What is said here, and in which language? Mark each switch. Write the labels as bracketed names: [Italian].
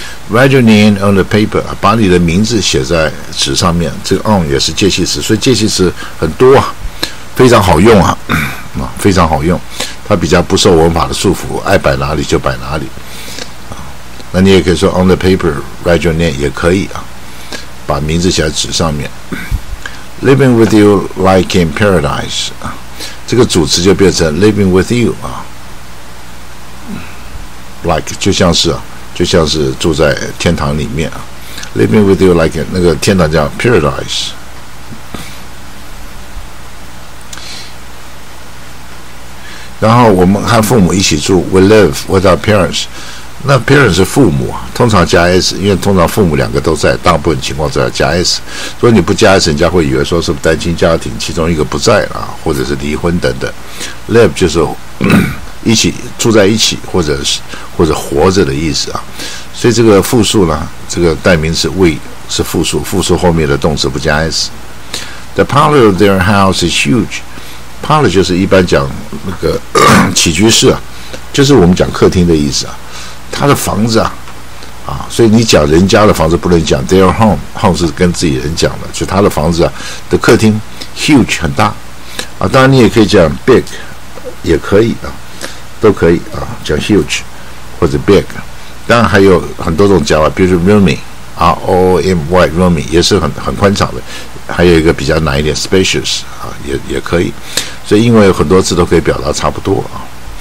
[English] Write your name on the paper， [Chinese] 把你的名字写在纸上面，这个 on 也是介系词，所以介系词很多啊，非常好用啊，非常好用，它比较不受文法的束缚，爱摆哪里就摆哪里。那你也可以说 [English] on the paper write your name [Chinese] 也可以啊，把名字写在纸上面。 [English] Living with you like in paradise [Chinese] 啊，这个主词就变成 living with you 啊 ，like 就像是住在天堂里面啊。 [English] Living with you like [Chinese] 那个天堂叫 [English] paradise。 [Chinese] 然后我们和父母一起住 ， [English] we live with our parents。 [Chinese] 那 parents 是父母，通常加 s， 因为通常父母两个都在，大部分情况在加 s。如果你不加 s， 人家会以为说是单亲家庭，其中一个不在啊，或者是离婚等等。 Live 就是一起住在一起，或者活着的意思啊。所以这个复数呢，这个代名词 we 是复数，复数后面的动词不加 s。 [English] The parlor of their house is huge。 [Chinese] Parlor 就是一般讲那个起居室啊，就是我们讲客厅的意思啊。他的房子啊，所以你讲人家的房子不能讲 their home 是跟自己人讲的，就他的房子啊的客厅 huge 很大啊，当然你也可以讲 big 也可以啊，都可以啊，讲 huge 或者 big， 当然还有很多种讲法，比如说 roomy R-O-O-M-Y roomy 也是很宽敞的，还有一个比较难一点 spacious 啊，也可以，所以英文有很多字都可以表达差不多啊。